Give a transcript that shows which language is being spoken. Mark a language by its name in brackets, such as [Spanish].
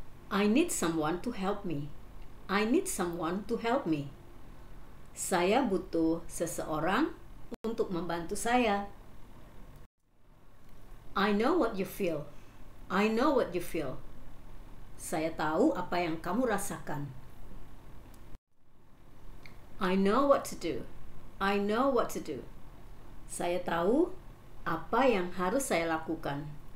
[English] I need someone to help me. I need someone to help me. [Indonesian] Saya butuh seseorang untuk membantu saya. [English] I know what you feel. I know what you feel. [Indonesian] Saya tahu apa yang kamu rasakan. [English] I know what to do. I know what to do. [Indonesian] Saya tahu apa yang harus saya lakukan.